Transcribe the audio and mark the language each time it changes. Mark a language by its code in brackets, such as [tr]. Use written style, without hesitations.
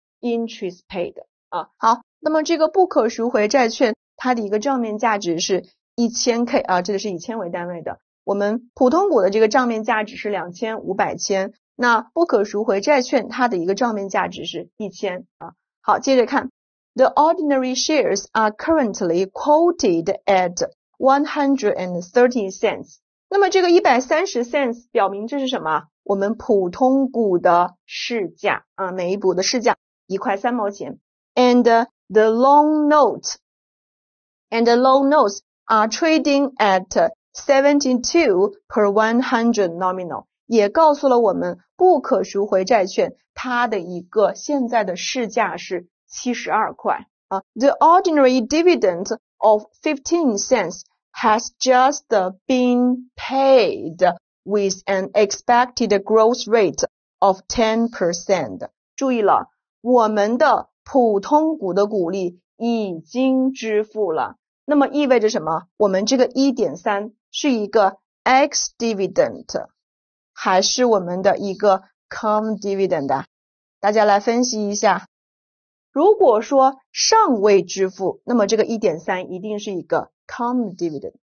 [en] interest paid 啊。 [zh] 好，那么这个不可赎回债券它的一个账面价值是 1000K 啊，这个是以千为单位的，我们普通股的这个账面价值是2500千，那不可赎回债券它的一个账面价值是1000啊。好，接着看 [en] The ordinary shares are currently quoted at 130 cents。 [zh] 那么这个130 cents 表明这是什么？我们普通股的市价啊，每一股的市价一块三毛钱。 [en] and the long note. And the long notes are trading at 72 per 100 nominal. [zh] 也告诉了我们不可赎回债券它的一个现在的市价是72块。 [en] The ordinary dividend of 15 cents has just been paid with an expected growth rate of 10%. [zh] 注意了，我们的普通股的股利已经支付了。那么意味着什么？我们这个 1.3 是一个 ex dividend 还是我们的一个 com dividend 啊？大家来分析一下。如果说尚未支付，那么这个 1.3 一定是一个 com dividend。